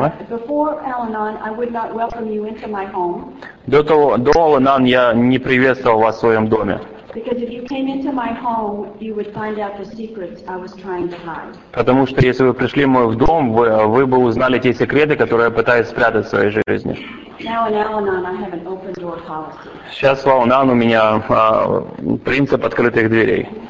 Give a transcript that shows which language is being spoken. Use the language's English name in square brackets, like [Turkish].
[English] Before Al-Anon, I would not welcome you into my home. [Russian] До Al-Anon я не приветствовал вас в своем доме. [English] Because if you came into my home, you would find out the secrets I was trying to hide. [Russian] Потому что если вы пришли в мой дом, вы бы узнали те секреты, которые я пытаюсь спрятать в своей жизни. [English] Now in Al-Anon, I have an open door policy. [Russian] Сейчас в Al-Anon у меня принцип открытых дверей.